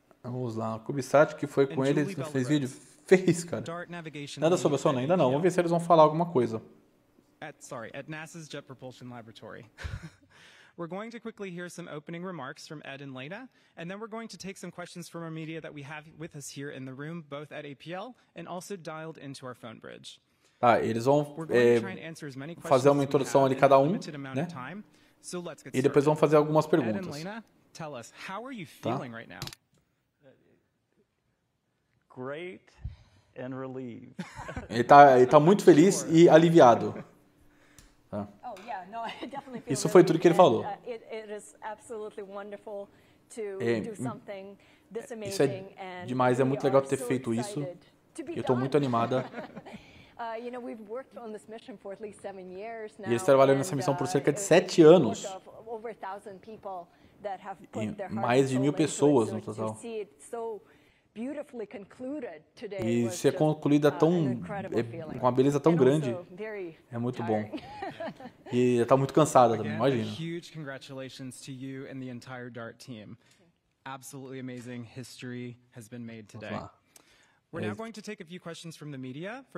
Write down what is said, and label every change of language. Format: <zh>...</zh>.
<pt>Vamos lá, o Kubisat, que foi com eles, não fez vídeo? Fez, cara. Nada sobre a sonda ainda não, vamos ver se eles vão falar alguma coisa.</pt> <en>At NASA's Jet Propulsion Laboratory. We're going to quickly hear some opening remarks from Ed and Lena, and then we're going to take some questions from our media that we have with us here in the room, both at APL and also dialed into our phone bridge.</en> <pt>Tá, eles vão fazer uma introdução ali cada um, né?</pt> <en>Time, so let's get</en> <pt>e depois vão fazer algumas perguntas.</pt> <en>Ed and Lena, tell us, how are you feeling right now? Great and relieved.</en> <pt>Ele tá muito feliz e aliviado.</pt> <en>No, I definitely feel</en> <pt>isso foi tudo que ele falou.</pt> <en>It is absolutely wonderful to do something this amazing.</en> <pt>Isso é demais, é muito legal ter feito isso. Eu estou muito animada.</pt> <en>You know, we've worked on this mission for at least 7 years now.</en> <pt>E eles trabalhando nessa missão por cerca de 7 anos.</pt> <en>Over 1,000 people that have put their hearts into it.</en> <pt>Mais de 1,000 pessoas no total.</pt> <en>Beautifully concluded today.</en> <pt>E ser concluída tão com uma beleza tão grande é muito bom. E está muito cansada também, imagina.</pt> <en>Huge congratulations to you and the entire DART team. Absolutely amazing history has been made today. We're now going to take a few questions from the media.</en>